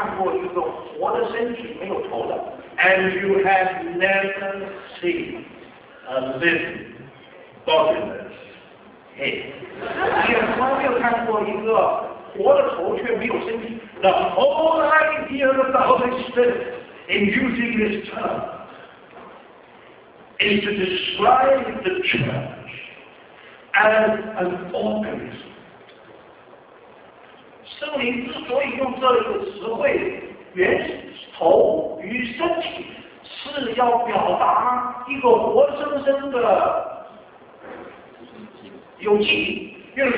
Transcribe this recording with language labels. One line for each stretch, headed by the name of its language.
Chinese: 你从来没有看过一个活的身体没有头的。
English: And you have never seen a living bodiless head.
Chinese: 你从来没有看过一个活的头却没有身体。
English: The whole idea of the Holy Spirit in using this term is to describe the church as an organism.
Chinese: 圣灵之所以用这个词汇，原头与身体，是要表达一个活生生的有机。
English: You know,